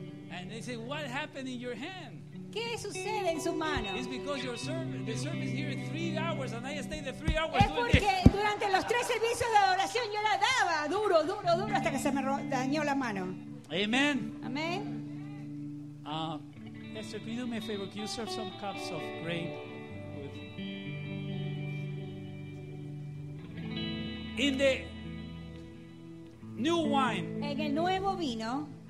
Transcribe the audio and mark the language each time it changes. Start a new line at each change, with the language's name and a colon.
English: And they say, what happened in your hand?
Spanish: ¿Qué sucede en su mano?
English: It's because your service here is 3 hours and I stayed the 3 hours.
Spanish: Es porque durante los 3 servicios de adoración yo la daba duro hasta que se me dañó la mano.
English: Amen.
Spanish: Amen.
English: Esther, can you do me a favor? Can you serve some cups of grain? In the new wine.
Spanish: En el nuevo vino.